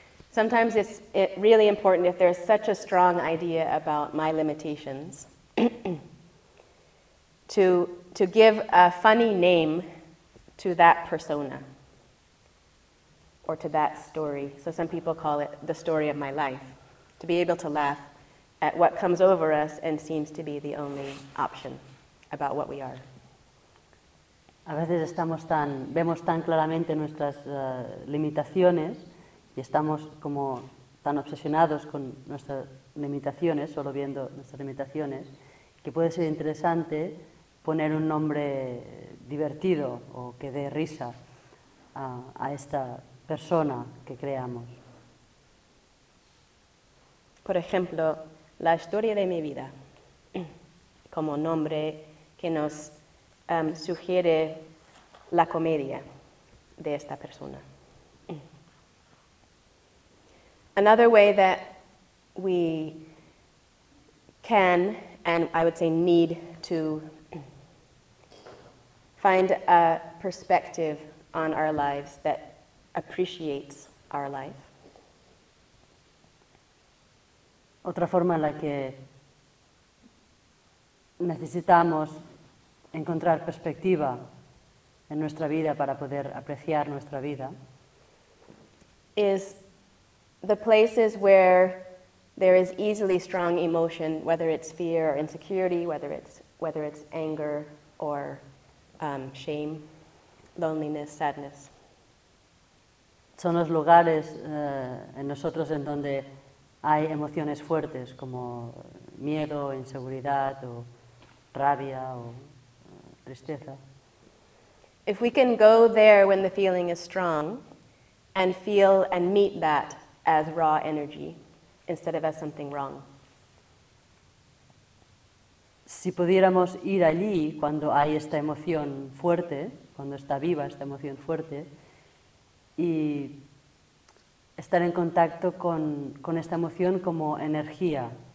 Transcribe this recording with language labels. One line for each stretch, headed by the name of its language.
English: Sometimes it's really important if there's such a strong idea about my limitations to give a funny name to that persona, or to that story. So some people call it the story of my life, to be able to laugh at what comes over us and seems to be the only option about what we are.
Spanish: A veces estamos tan, vemos tan claramente nuestras limitaciones y estamos como tan obsesionados con nuestras limitaciones, solo viendo nuestras limitaciones, que puede ser interesante poner un nombre divertido o que dé risa a esta persona que creamos. Por ejemplo, la historia de mi vida, como nombre que nos sugiere la comedia de esta persona.
English: Another way that we can, and I would say need to, find a perspective on our lives that appreciates our life.
Spanish: Otra forma en la que necesitamos encontrar perspectiva en nuestra vida para poder apreciar nuestra vida
English: is the places where there is easily strong emotion, whether it's fear or insecurity, whether it's anger or shame, loneliness, sadness.
Spanish: Son los lugares en nosotros en donde hay emociones fuertes como miedo, inseguridad o rabia o tristeza.
English: If we can go there when the feeling is strong and feel and meet that as raw energy instead of as something wrong.
Spanish: Si pudiéramos ir allí cuando hay esta emoción fuerte, cuando está viva esta emoción fuerte, y estar en contacto con esta emoción como energía.